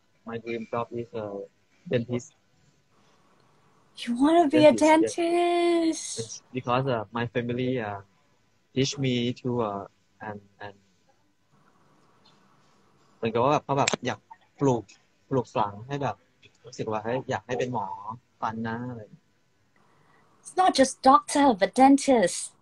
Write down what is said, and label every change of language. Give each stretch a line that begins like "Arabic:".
English: My dream job is a dentist. You want to be a Dentist, yes. dentist. It's because my family teach me to and
Thai: เหมือนกับว่าแบบเขาแบบอยากปลูกฝังให้แบบรู้สึกว่าอยากให้เป็นหมอฟันนะอะไร
English: It's not just doctor, but dentist.